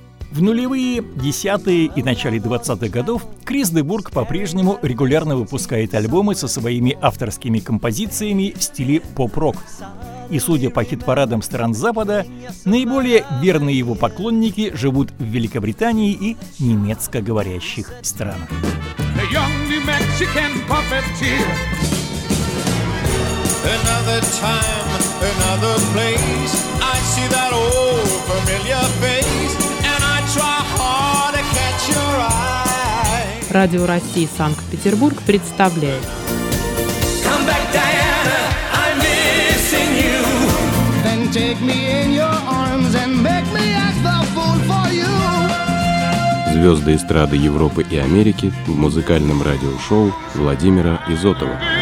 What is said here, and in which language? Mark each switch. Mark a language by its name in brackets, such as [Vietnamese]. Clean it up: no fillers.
[Russian] В нулевые, десятые и начале 20-х годов Крис Дебург по-прежнему регулярно выпускает альбомы со своими авторскими композициями в стиле поп-рок. И судя по хит-парадам стран Запада, наиболее верные его поклонники живут в Великобритании и немецкоговорящих странах. [English] The young New Mexican puppeteer, another time, another place. I see that old familiar face, and I try hard to catch your eye. [Russian] Радио России Санкт-Петербург представляет. [English] Come back, Diana, I'm missing you. Then take me in your arms and make me act the fool for you. [Russian] Звезды эстрады Европы и Америки в музыкальном радиошоу Владимира Изотова.